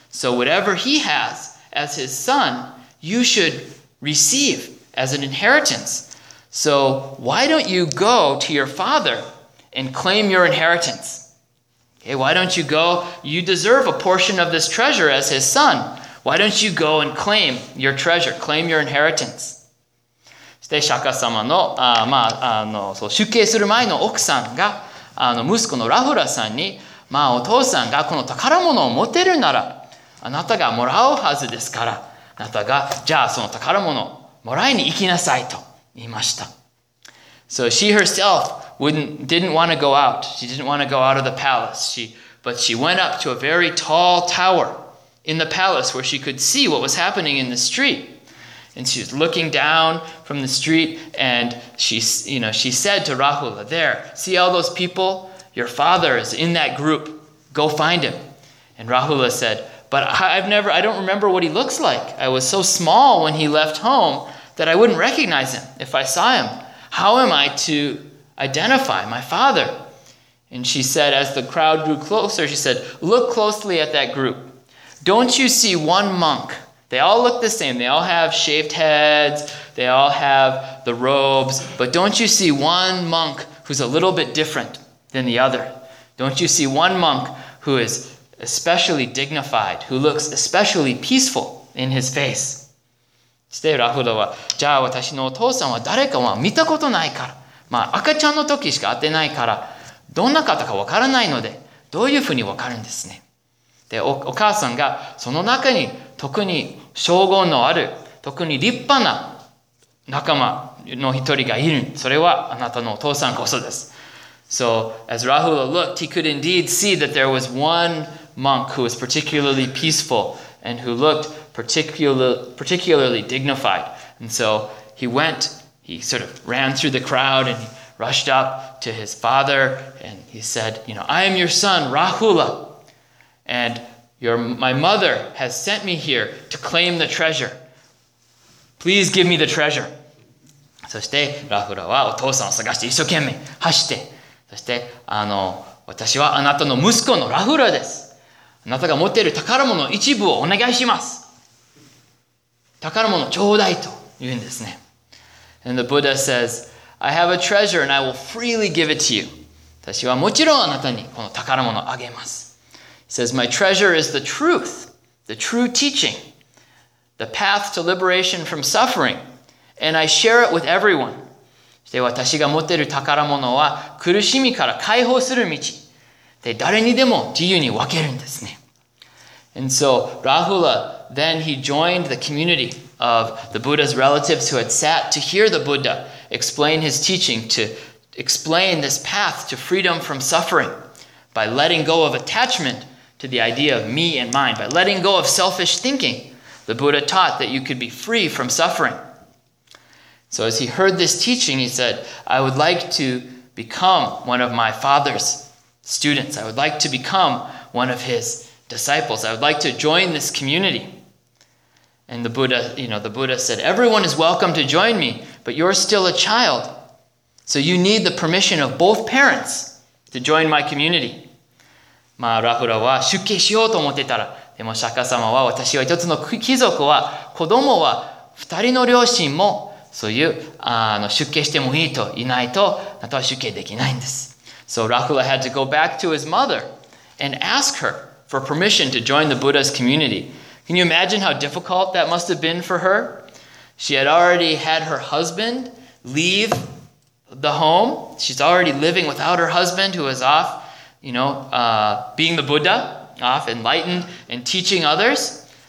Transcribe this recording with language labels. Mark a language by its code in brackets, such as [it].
[en] So whatever he has as his son, you should receive as an inheritance. So why don't you go to your father and claim your inheritance? Okay, why don't you go? You deserve a portion of this treasure as his son. Why don't you go and claim your treasure, claim your inheritance? [ja] で、釈迦様の、そう、出家する前の奥さんが、息子のラフラさんに、まあ、お父さんがこの宝物を持てるなら、あなたがもらうはずですから、あなたが、じゃあその宝物をもらいに行きなさいと言いました。 [en] So she herself didn't want to go out. She didn't want to go out of the palace. But she went up to a very tall tower in the palace where she could see what was happening in the street. And she's looking down from the street and she said to Rahula, there, see all those people? Your father is in that group. Go find him. And Rahula said, But I don't remember what he looks like. I was so small when he left home that I wouldn't recognize him if I saw him. How am I to identify my father? And she said, as the crowd grew closer, she said, look closely at that group. Don't you see one monk? They all look the same. They all have shaved heads. They all have the robes. But don't you see one monk who's a little bit different than the other? Don't you see one monk who is especially dignified, who looks especially peaceful in his face? [ja] して、ラフードは、じゃあ私のお父さんは誰かは見たことないから。まあ、赤ちゃんの時しか会ってないから、どんな方かわからないので、どういうふうにわかるんですね。で、お母さんが、その中に特に称号のある、特に立派な仲間の一人がいる。それはあなたのお父さんこそです。 [en] So, as Rahula looked, he could indeed see that there was one monk who was particularly peaceful and who looked particularly dignified. And so he went, he sort of ran through the crowd and he rushed up to his father and he said, you know, I am your son, Rahula, and my mother has sent me here to claim the treasure. Please give me the treasure. [ja] そして Rahula はお父さんを探して一生懸命走って。そして、私はあなたの息子のラフラです。あなたが持っている宝物の一部をお願いします。宝物ちょうだいと言うんですね。 [en] And the Buddha says, I have a treasure and I will freely give it to you. [ja] 私はもちろんあなたにこの宝物をあげます。 [en] He says, my treasure is the truth, the true teaching, the path to liberation from suffering, and I share it with everyone. [ja] で、私が持っている宝物は苦しみから解放する道。で、誰にでも自由に分けるんですね。 [en] And so, Rahula, then he joined the community of the Buddha's relatives who had sat to hear the Buddha explain his teaching, to explain this path to freedom from suffering by letting go of attachment to the idea of me and mine, by letting go of selfish thinking. The Buddha taught that you could be free from suffering. So as he heard this teaching, he said, I would like to become one of my father's students. I would like to become one of his disciples. I would like to join this community. And the Buddha said, everyone is welcome to join me, but you're still a child. So you need the permission of both parents to join my community. [ja] まあ、ラフラは出家しようと思ってたら、でも釈迦様は私は一つの貴族は、子供は二人の両親もそういう、出家してもいいと、いないと、あとは出家できないんです。 [en] So Rahula had to go back to his mother and ask her for permission to join the Buddha's community. Can you imagine how difficult that must have been for her? She had already had her husband leave the home. She's already living without her husband who is off, you know, being the Buddha, off enlightened and teaching others.